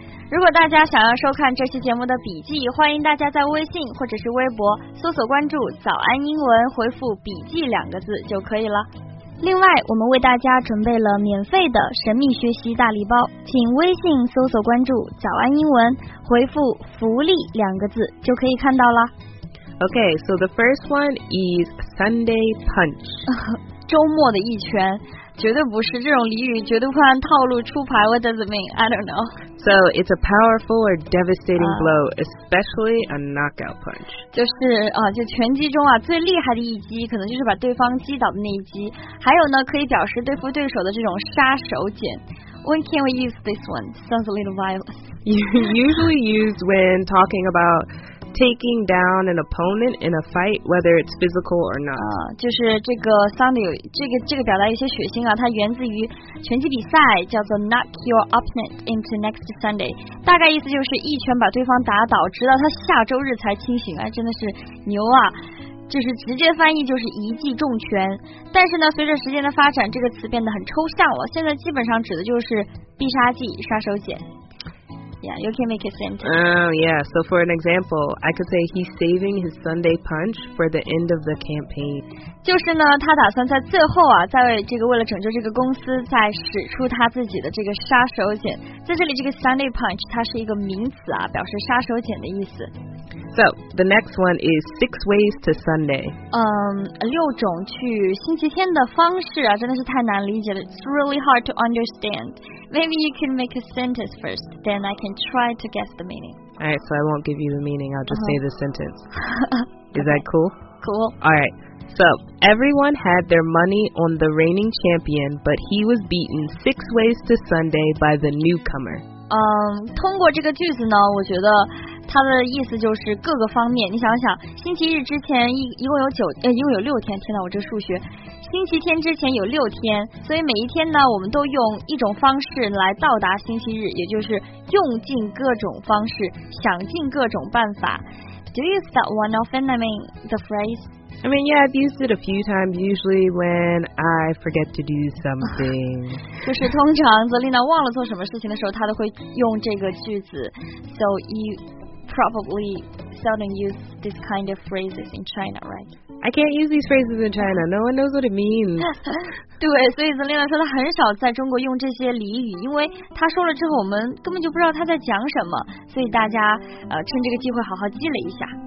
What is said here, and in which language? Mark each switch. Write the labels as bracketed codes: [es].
[zh] 如果大家想要收看这期节目的笔记，欢迎大家在微信或者是微博搜索关注早安英文，回复笔记两个字就可以了。另外，我们为大家准备了免费的神秘学习大礼包，请微信搜索关注早安英文，回复福利两个字就可以看到了。 [en] Okay, so the first one is Sunday punch. [zh] 周末的一拳，绝对不是这种俚语，绝对不按套路出牌。 [en] What does it mean? I don't know. So it's a powerful or devastating blow, especially a knockout punch. [zh] 就是啊，就拳击中啊最厉害的一击，可能就是把对方击倒的那一击。还有呢，可以表示对付对手的这种杀手锏。 [en] When can we use this one? Sounds a little violent. Usually used when talking about taking down an opponent in a fight, whether it's physical or not. [zh] 就是这个 Sunday 这个表达一些血腥啊，它源自于拳击比赛，叫做 [en] knock your opponent into next Sunday. [zh] 大概意思就是一拳把对方打倒，直到他下周日才清醒。哎，真的是牛啊！就是直接翻译就是一记重拳，但是呢，随着时间的发展，这个词变得很抽象了。现在基本上指的就是必杀技、杀手锏。 [en] Yeah, you can make a sentence. Yeah. So for an example, I could say he's saving his Sunday punch for the end of the campaign. [zh] 就是呢，他打算在最后啊，在这个为了拯救这个公司，再使出他自己的这个杀手锏。在这里，这个 Sunday punch 它是一个名词啊，表示杀手锏的意思。 [en] So, the next one is 6 ways to Sunday. [zh] 六种去星期天的方式啊，真的是太难理解了。 [en] It's really hard to understand. Maybe you can make a sentence first, then I can try to guess the meaning. Alright, so I won't give you the meaning, I'll just say the sentence. Is that cool? Cool. Alright, so everyone had their money on the reigning champion, but he was beaten 6 ways to Sunday by the newcomer. [zh] 通过这个句子呢，我觉得他的意思就是各个方面，你想想，星期日之前一共有六天，天哪，我这数学，星期天之前有六天，所以每一天呢，我们都用一种方式来到达星期日，也就是用尽各种方式，想尽各种办法。 [en] Do you use that one often? I mean, the phrase? I mean, yeah, I've used it a few times, usually when I forget to do something. [zh] 就是通常泽丽娜忘了做什么事情的时候，她都会用这个句子。 [en] So you... probably seldom use this kind of phrases in China, right? I can't use these phrases in China. No one knows what it means. [zh] 对，所以Zelina说她很少在中国用这些俚语，因为她说了之后我们根本就不知道她在讲什么，所以大家趁这个机会好好积累一下。